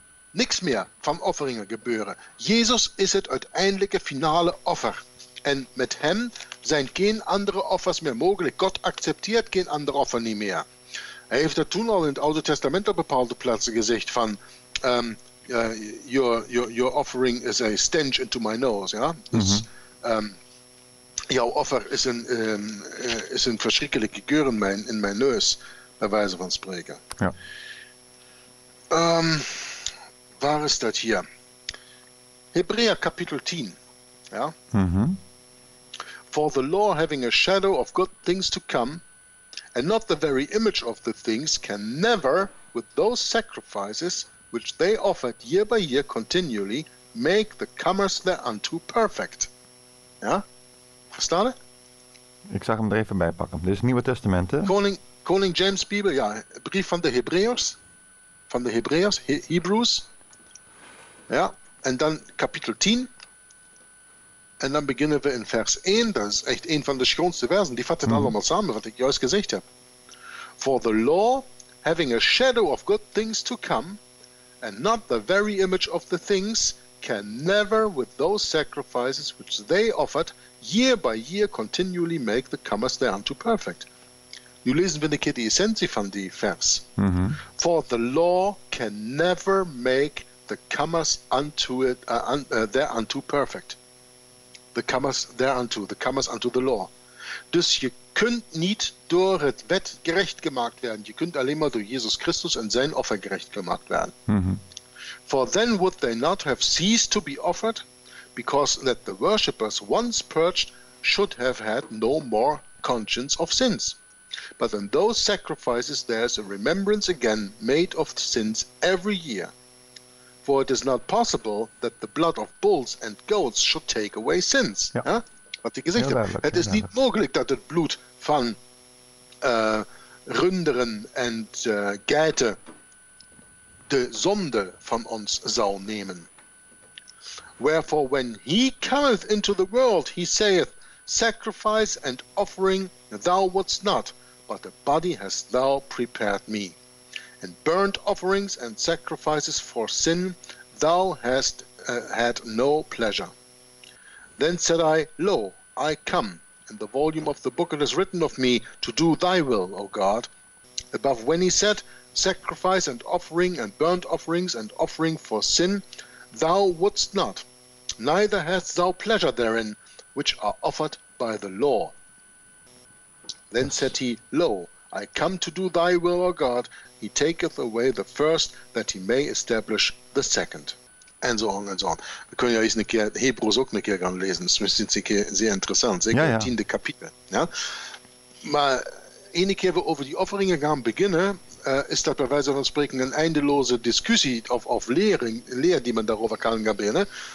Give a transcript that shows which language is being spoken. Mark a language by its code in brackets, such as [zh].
[nl] Niks meer van offeringen gebeuren. Jezus is het uiteindelijke finale offer. En met hem zijn geen andere offers meer mogelijk. God accepteert geen andere offer niet meer. Hij heeft dat toen al in het Oude Testament op bepaalde plaatsen gezegd van... [en] your offering is a stench into my nose. [nl] Ja? Dus, mm-hmm. Jouw offer is een verschrikkelijke geur in mijn neus, bij wijze van spreken. Ja. Waar is dat hier? Hebreeën kapitel 10. Ja? Mm-hmm. [en] For the law having a shadow of good things to come, and not the very image of the things, can never with those sacrifices which they offered year by year continually, make the commerce thereunto perfect. [nl] Ja? Verstaan? Ik zag hem er even bij pakken. Dit is het Nieuwe Testament, hè? Koning James Bijbel, ja. Brief van de Hebreeërs. Van de Hebreeërs, Hebrews. Ja, en dan kapitel 10. En dan beginnen we in vers 1. Dat is echt een van de schoonste versen. Die vatten allemaal samen, wat ik juist gezegd heb. [en] For the law, having a shadow of good things to come, and not the very image of the things, can never with those sacrifices which they offered year by year continually make the comers thereunto perfect. [nl] Nu lezen we een keer de essentie van die vers. Mm-hmm. [en] For the law can never make the comers unto it thereunto perfect. The comers thereunto, the comers unto the law. [nl] Dus je kunt niet door het wet gerecht gemaakt werden. Je kunt alleen maar door Jesus Christus en zijn offer gerecht gemaakt werden. Mm-hmm. [en] For then would they not have ceased to be offered, because that the worshippers once purged should have had no more conscience of sins. But in those sacrifices there is a remembrance again made of sins every year. For it is not possible that the blood of bulls and goats should take away sins. [nl] Ja. Ja? Wat ik gezegd heb. Het is niet mogelijk dat het bloed van runderen en geiten de zonde van ons zou nemen. [en] Wherefore, when he cometh into the world, he saith, sacrifice and offering thou wouldst not, but a body hast thou prepared me. And burnt offerings and sacrifices for sin thou hast had no pleasure. Then said I, lo, I come, and the volume of the book it is written of me, to do thy will, O God. Above when he said, sacrifice and offering and burnt offerings and offering for sin thou wouldst not, neither hast thou pleasure therein, which are offered by the law. Then said he, lo, I come to do thy will, O God. He taketh away the first, that he may establish the second. [nl] En zo on, en zo on. We kunnen juist een keer Hebreeën ook een keer gaan lezen. Dat is misschien een keer zeer interessant. Zeker het tiende kapitel. Ja? Maar een keer we over die offeringen gaan beginnen, is dat bij wijze van spreken een eindeloze discussie of leer die men daarover kan gaan beginnen.